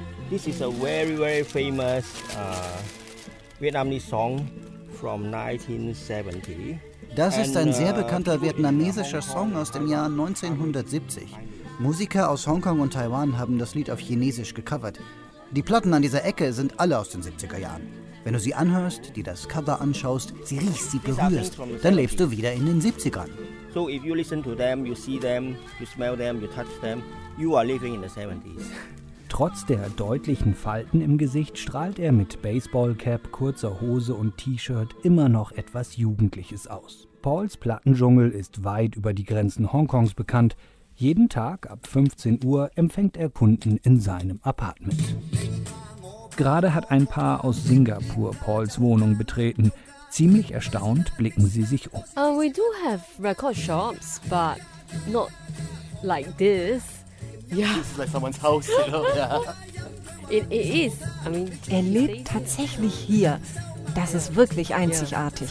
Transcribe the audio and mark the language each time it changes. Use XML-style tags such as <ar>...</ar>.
<en>This is a very, very famous Vietnamese song from 1970.</en> <de>Das ist ein sehr bekannter vietnamesischer Song aus dem Jahr 1970. Musiker aus Hongkong und Taiwan haben das Lied auf Chinesisch gecovert. Die Platten an dieser Ecke sind alle aus den 70er Jahren. Wenn du sie anhörst, dir das Cover anschaust, sie riechst, sie berührst, dann lebst du wieder in den 70ern.</de> <en>So if you listen to them, you see them, you smell them, you touch them, you are living in the 70s.</en> <de>Trotz der deutlichen Falten im Gesicht strahlt er mit Baseballcap, kurzer Hose und T-Shirt immer noch etwas Jugendliches aus. Pauls Plattendschungel ist weit über die Grenzen Hongkongs bekannt. Jeden Tag ab 15 Uhr empfängt er Kunden in seinem Apartment. Gerade hat ein Paar aus Singapur Pauls Wohnung betreten. Ziemlich erstaunt blicken sie sich um.</de> <en>We do have record shops, but not like this. Yeah. This is like someone's house, you know? Yeah. It is. I mean,</en> <de>er lebt tatsächlich hier. Das ist wirklich einzigartig.</de>